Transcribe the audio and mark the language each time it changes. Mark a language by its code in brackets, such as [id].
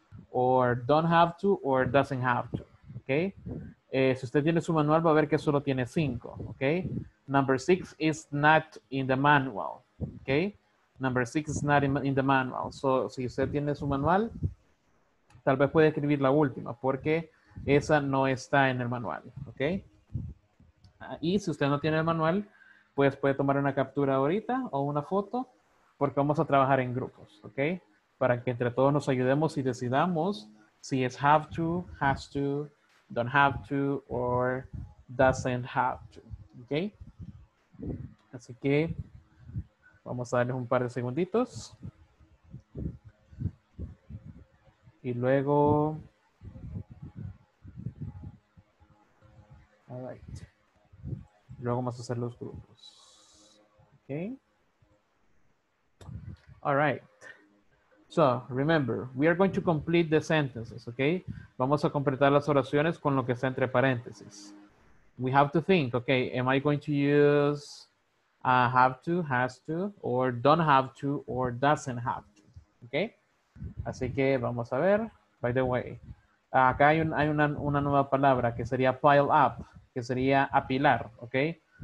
[en] Or don't have to or doesn't have to, okay? [es] Si usted tiene su manual, va a ver que solo tiene 5, okay? [en] Number 6 is not in the manual, okay? Number 6 is not in the manual. So, [es] si usted tiene su manual, tal vez puede escribir la última porque esa no está en el manual, okay? Y si usted no tiene el manual, pues puede tomar una captura ahorita o una foto porque vamos a trabajar en grupos, okay? Para que entre todos nos ayudemos y decidamos si es [en] have to, has to, don't have to, [es] or doesn't have to, okay? Así que vamos a darles un par de segunditos. Y luego, [en] all right. [es] Luego vamos a hacer los grupos, okay? [en] All right. So, remember, we are going to complete the sentences, okay? [es] Vamos a completar las oraciones con lo que está entre paréntesis. [en] We have to think, okay, am I going to use have to, has to, or don't have to, or doesn't have to, okay? [es] Así que vamos a ver, [en] by the way. [es] Acá hay, una nueva palabra que sería pile up, que sería apilar, okay?